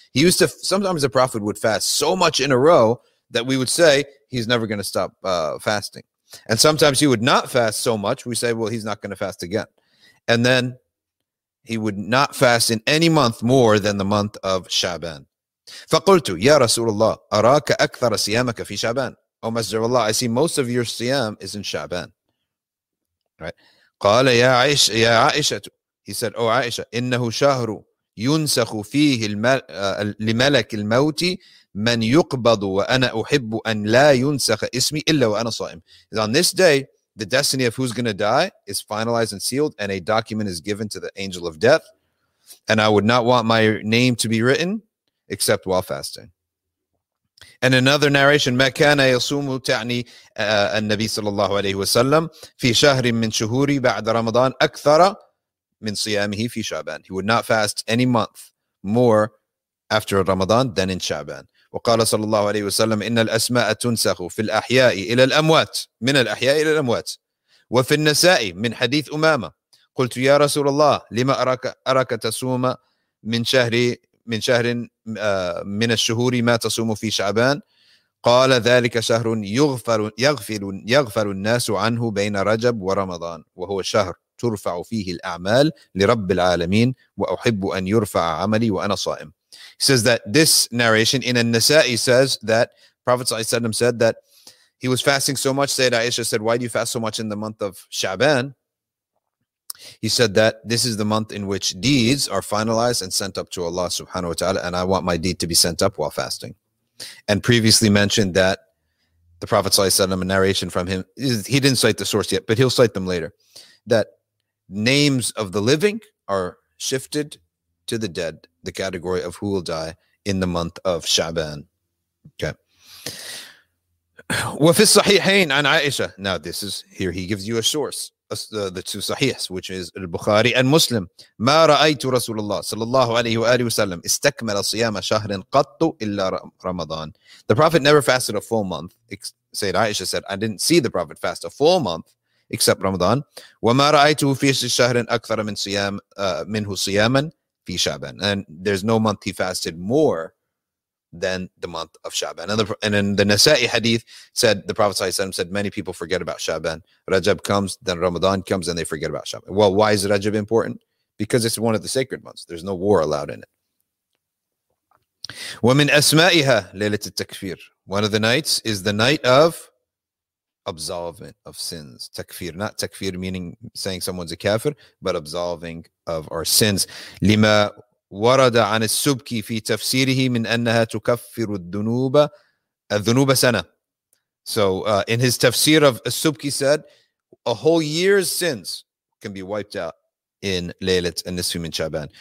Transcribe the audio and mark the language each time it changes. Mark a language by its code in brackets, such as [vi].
[en] He used to, sometimes the Prophet would fast so much in a row that we would say he's never going to stop fasting. And sometimes he would not fast so much, we say, well, he's not going to fast again. And then he would not fast in any month more than the month of Sha'ban. [ar] فقلت يا رسول الله أراك أكثر صيامك في شعبان. [en] Oh Messenger of Allah, I see most of your siyam is in Sha'ban. Right? [ar] قال يا عائشة. [en] He said, Oh Aisha, [ar] إنه شهر ينسخ فيه لملك الموت من يقبض وأنا أحب أن لا ينسخ اسمي إلا وأنا صائم. [en] On this day, the destiny of who's going to die is finalized and sealed, and a document is given to the angel of death. And I would not want my name to be written except while fasting. And another narration, [ar] مَا كَانَ يَصُومُ تَعْنِي النَّبِي صَلَى اللَّهُ عَلَيْهُ وَسَلَّمُ فِي شَهْرٍ مِّن شُهُورِ بَعْدَ رَمَضَانَ أَكْثَرَ مِّن صِيَامِهِ فِي شَعْبَانَ. [en] He would not fast any month more after Ramadan than in Sha'ban. [ar] وَقَالَ صَلَى اللَّهُ عَلَيْهُ وَسَلَّمُ إِنَّ الْأَسْمَاءَ تُنْسَخُ فِي الْأَحْيَاءِ إِلَى الْأَمْوَاتِ مِنَ الْأَحْيَاءِ إِلَى الْأَمْوَاتِ وَفِي النَّسَاءِ مِنْ حَدِيثِ أُمَامَةَ قُلْتُ يَا رَسُولَ اللَّهِ لِمَ أَرَاكَ تَصُومُ من شهر من الشهور ما تصوم في شعبان قال ذلك شهر يغفل الناس عنه بين رجب ورمضان وهو شهر ترفع فيه الأعمال لرب العالمين وأحب أن يرفع عملي وأنا صائم. [en] He says that this narration in An-Nasa'i says that Prophet [ar] صلى الله عليه وسلم [en] said that he was fasting so much. Sayyidah Aisha said, why do you fast so much in the month of Sha'ban? He said that this is the month in which deeds are finalized and sent up to Allah subhanahu wa ta'ala, and I want my deed to be sent up while fasting. And previously mentioned that the Prophet sallallahu alaihi wasallam, a narration from him, he didn't cite the source yet, but he'll cite them later, that names of the living are shifted to the dead, the category of who will die in the month of Sha'ban. Okay. [ar] وَفِي الصَّحِيحَيْنِ عَنْ عَائِشَةَ. [en] Now this is, here he gives you a source. the two sahihs, which is al-Bukhari and Muslim. [ar] ما رأيت رسول الله صلى الله عليه وآله وسلم استكمل صيام شهر قط إلا رمضان. [en] The Prophet never fasted a full month. Sayyid Aisha said, I didn't see the Prophet fast a full month except Ramadan. [ar] وما رأيته في الشهر أكثر من صيام منه صياما في شعبان. [en] And there's no month he fasted more than the month of Shaban. And in the Nasa'i hadith said, the Prophet ﷺ said, many people forget about Shaban. Rajab comes, then Ramadan comes, and they forget about Shaban. Well, why is Rajab important? Because it's one of the sacred months. There's no war allowed in it. [ar] وَمِنْ أَسْمَائِهَا لَيْلَةِ التَّكْفِيرِ. [en] One of the nights is the night of absolvement of sins. Takfir, not takfir meaning saying someone's a kafir, but absolving of our sins. [ar] لِمَا ورد عن السبكي في تفسيره من أنها تكفر الذنوب الذنوب سنة. [en] So in his tafsir of السبكي said, a whole year's sins can be wiped out in [ar] ليلة النصف من شعبان.